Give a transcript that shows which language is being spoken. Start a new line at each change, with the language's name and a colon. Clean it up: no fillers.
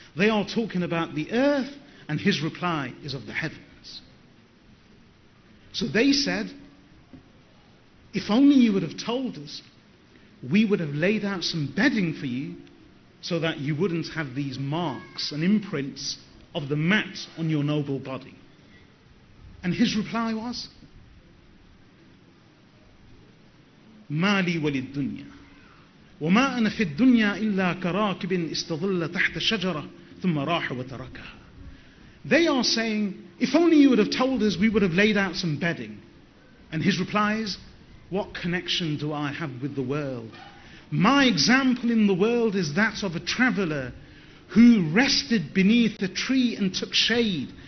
English: They are talking about the earth and his reply is of the heavens. So they said, if only you would have told us, we would have laid out some bedding for you so that you wouldn't have these marks and imprints of the mat on your noble body. And his reply was,
Arabic: مالي وللدنيا وما أنا في الدنيا إلا كراكب استظل تحت شجرة ثم راح وتركها.
English: They are saying, if only you would have told us, we would have laid out some bedding. And his reply is, what connection do I have with the world? My example in the world is that of a traveler who rested beneath a tree and took shade.